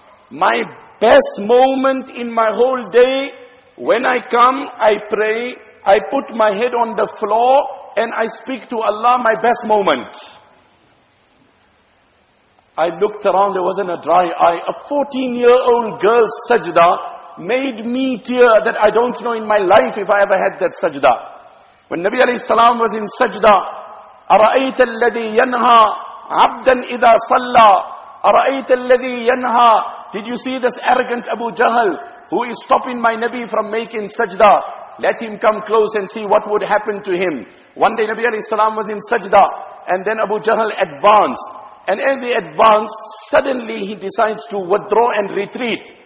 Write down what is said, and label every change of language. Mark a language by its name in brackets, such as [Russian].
[English] My best moment in my whole day, when I come, I pray, I put my head on the floor, and I speak to Allah, my best moment. I looked around, there wasn't a dry eye. A 14-year-old girl, sajda, made me tear that I don't know in my life if I ever had that sajda. When Nabi alayhi salam was in sajda, [Arabic] أَرَأَيْتَ الَّذِي يَنْهَى عَبْدًا إِذَا صَلَّى أَرَأَيْتَ الَّذِي يَنْهَى. [English] Did you see this arrogant Abu Jahl who is stopping my Nabi from making sajda? Let him come close and see what would happen to him. One day Nabi alayhi salam was in sajda, and then Abu Jahl advanced. And as he advanced, suddenly he decides to withdraw and retreat.